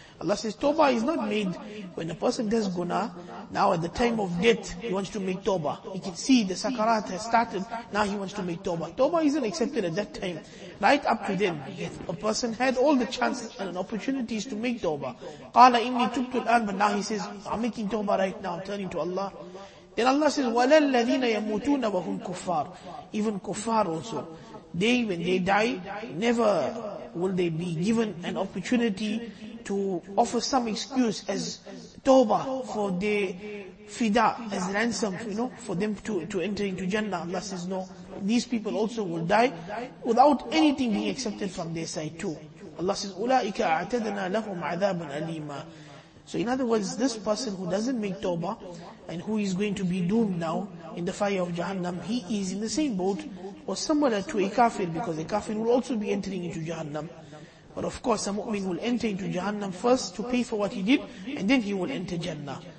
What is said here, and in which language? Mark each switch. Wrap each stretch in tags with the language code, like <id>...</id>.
<en>Allah says, tawbah is not made when a person does guna. Now at the time of death, he wants to make tawbah. He can see the sakarat has started, now he wants to make tawbah. Tawbah isn't accepted at that time. Right up to then, a person had all the chances and opportunities to make tawbah.</en> <ar>قَالَ إِنِّي تُبْتُ الْآنَ.</ar> <en>But now he says, I'm making tawbah right now, I'm turning to Allah. Then Allah says,</en> <ar>وَلَا الَّذِينَ يَمُوتُونَ وَهُمْ كُفَّارٌ.</ar> <en>Even kuffar also, they, when they die, never will they be given an opportunity to offer some excuse as tawbah for the fida, as ransom, you know, for them to enter into Jannah. Allah says, no, these people also will die without anything being accepted from their side too. Allah says,</en> <ar>أُولَٰئِكَ أَعْتَدْنَا لَهُمْ عَذَابٌ أَلِيمًا.</ar> <en>So in other words, this person who doesn't make tawbah and who is going to be doomed now in the fire of Jahannam, he is in the same boat or similar to a kafir, because a kafir will also be entering into Jahannam. But of course, a mu'min will enter into Jahannam first to pay for what he did, and then he will enter Jannah.</en>